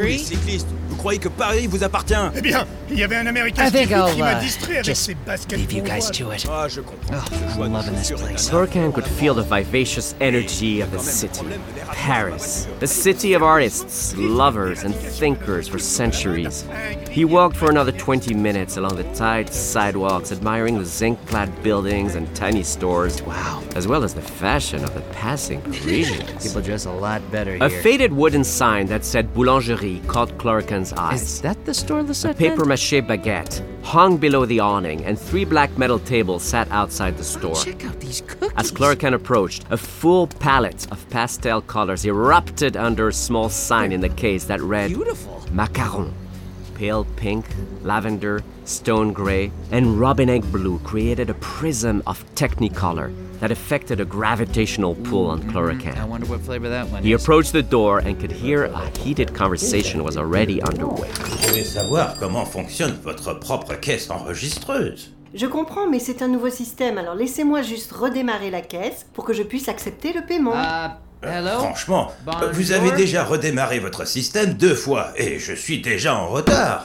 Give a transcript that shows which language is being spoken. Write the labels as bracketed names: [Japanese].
[French] Vous, les cyclistes, vous croyez que Paris vous appartient? Eh bien, il y avait un Américain qui m'a distrait avec ses baskets. [English] Leave you guys to it. [French] Ah, je comprends. [English] Oh, I'm loving this place. Clarican could feel the vivacious energy of the city. Paris, the city of artists, lovers, and thinkers for centuries. He walked for another 20 minutes along the tight sidewalks, admiring the zinc-clad buildings and tiny stores. Wow. As well as the fashion of the passing Parisians. People dress a lot better here. A faded wooden sign that said Boulangerie caught Clarican's eyes. Is that the store the set? A papier-mâché baguette hung below the awning, and three black metal tables sat outside the store. Oh, check out these cookies. As Clarican approached, a full palette of pastel colors erupted under a small sign in the case that read Beautiful. Macaron. Pale pink, lavender, stone gray, and robin egg blue created a prism of technicolor that affected a gravitational pull on Chlorican. I wonder what flavor that one is. He approached the door and could hear a heated conversation was already underway. [French] Je veux savoir comment fonctionne votre propre caisse enregistreuse. Je comprends, mais c'est un nouveau système, alors laissez-moi juste redémarrer la caisse pour que je puisse accepter le paiement. [English] Hello? [French] Franchement, bonjour. Vous avez déjà redémarré votre système deux fois et je suis déjà en retard.